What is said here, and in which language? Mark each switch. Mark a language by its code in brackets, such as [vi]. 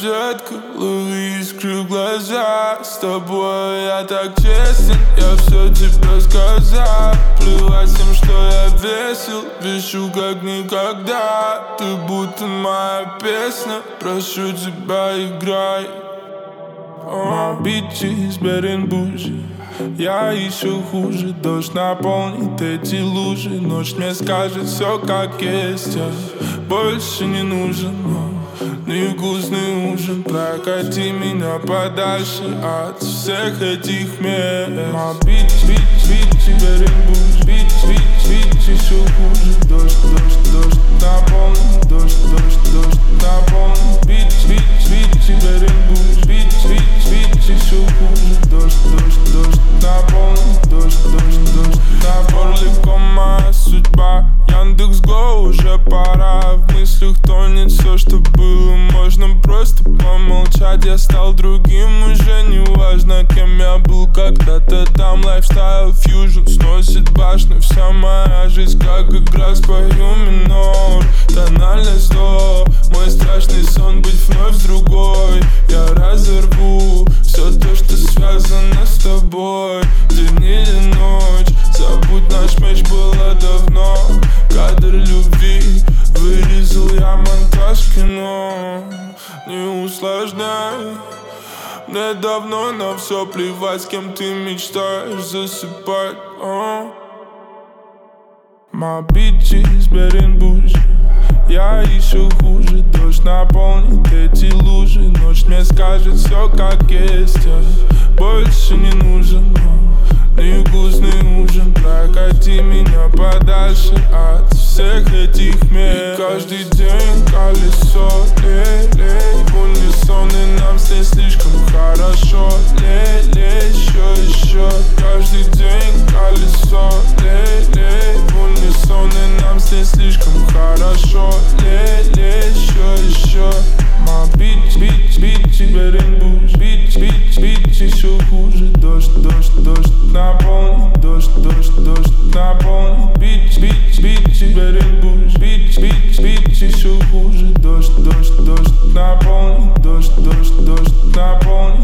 [ru] Детка, лови искры в глаза. С тобой я так честен, я все тебе сказал. Плевать всем, что я весел, вещу как никогда. Ты будто моя песня, прошу тебя, играй. [en] My bitch is bad and bougie. [ru] Я еще хуже, дождь наполнит эти лужи. Ночь мне скажет все как есть, я больше не нужен. Невкусный ужин, прокати меня подальше от всех этих мест. [en] My bitch, bitch, bitch is bad and bougie. Bitch, bitch, bitch [ru] еще хуже. Дождь, дождь, дождь наполнит. Дождь, дождь, дождь наполнит. [en] Bitch, bitch, bitch is bad and bougie. Bitch, bitch, bitch [ru] еще хуже. Дождь, дождь, дождь наполнен, дождь, дождь, дождь наполнен. Легко моя судьба, Яндекс.Го уже пора. В мыслях тонет все, что было, можно просто помолчать. Я стал другим, уже не важно, кем я был когда-то там. Лайфстайл фьюжн сносит башню, вся моя жизнь как игра. Спою минор, тональность до. Мой страшный сон быть вновь другой. Я разорву все то, что связано с тобой. День или ночь, забудь наш меч, было давно. Кадр любви вырезал я монтаж кино. Не усложняй, мне давно на все плевать, с кем ты мечтаешь засыпать. [en] My bitch is bad and bougie. [ru] Я еще хуже, дождь наполнит эти лужи. Ночь мне скажет все как есть, я больше не нужен. Невкусный ужин, прокати меня подальше от всех этих мест. И каждый день колесо, в унисон, и нам все слишком хорошо. Еще каждый день колесо, в унисон, и нам все слишком хорошо. Еще [en] my bitch, bitch, bitch is bad and bougie. Bitch, bitch, bitch [ru] еще хуже. Дождь, дождь, дождь наполнит. Дождь, дождь, дождь наполнит. [en] Bitch, bitch, bitch is bad and bougie. Bitch, bitch, bitch [ru] еще хуже. Дождь, дождь, дождь наполнит. Дождь, дождь, дождь наполнит.